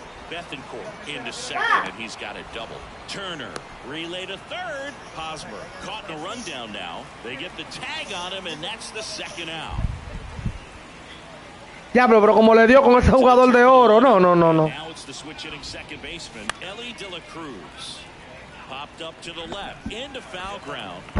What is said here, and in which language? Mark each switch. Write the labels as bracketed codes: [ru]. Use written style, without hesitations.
[en] Bethencourt into second, and he's got a double. Turner, relay to third. Hosmer, caught in a rundown now. They get the tag on him, and that's the second out. [es] Diablo, pero como le dio con ese jugador de oro. No. [en] Now it's the switch hitting second baseman, Ellie De La Cruz. Popped up to the left, into foul ground.